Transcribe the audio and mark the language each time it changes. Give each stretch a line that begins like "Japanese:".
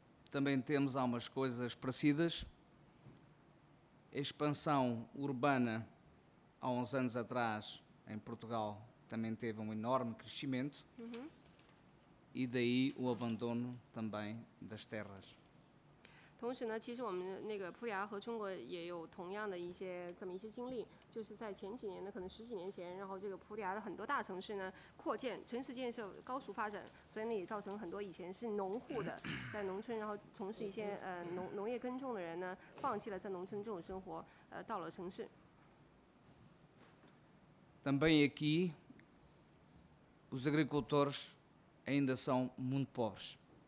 Portuguese: Também temos algumas coisas parecidas. Expansão urbana há uns anos atrás em Portugal. Também teve enorme crescimento uh-huh. e daí o abandono também das terras.
Chinese: 同时呢，其实我们那个葡萄牙和中国也有同样的一些这么一些经历，就是在前几年呢，可能十几年前，然后这个葡萄牙的很多大城市呢扩建，城市建设高速发展，所以呢也造成很多以前是农户的在农村，然后从事一些农业耕种的人呢，放弃了在农村这种生活，到了城市。
Portuguese: Também aqui, os agricultores ainda são muito pobres.